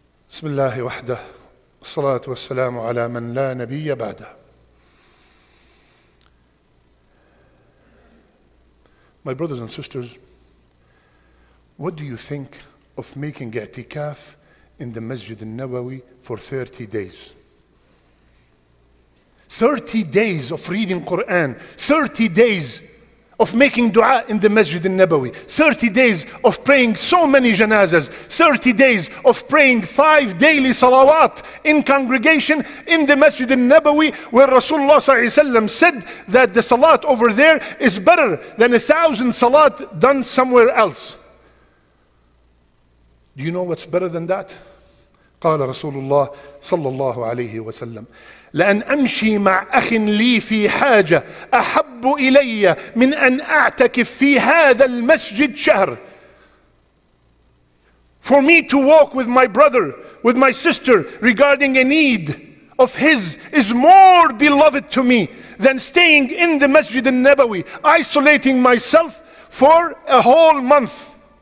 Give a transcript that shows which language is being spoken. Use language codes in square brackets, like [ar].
[ar] بسم الله وحده الصلاة والسلام على من لا نبي بعده. [en] My brothers and sisters, what do you think of making i'tikaf in the Masjid al-Nawawi for 30 days? 30 days of reading Quran, 30 days of making dua in the Masjid al-Nabawi, 30 days of praying so many janazas, 30 days of praying 5 daily salawat in congregation in the Masjid al-Nabawi, where Rasulullah sallallahu alayhi wa sallam said that the salat over there is better than 1,000 salat done somewhere else. Do you know what's better than that? [ar] قال رسول الله صلى الله عليه وسلم لأن أمشي مع أخ لي في حاجة أحب إلي من أن أعتكف في هذا المسجد شهر. [en] For me to walk with my brother, with my sister regarding a need of his is more beloved to me than staying in the Masjid al-Nabawi, isolating myself for a whole month.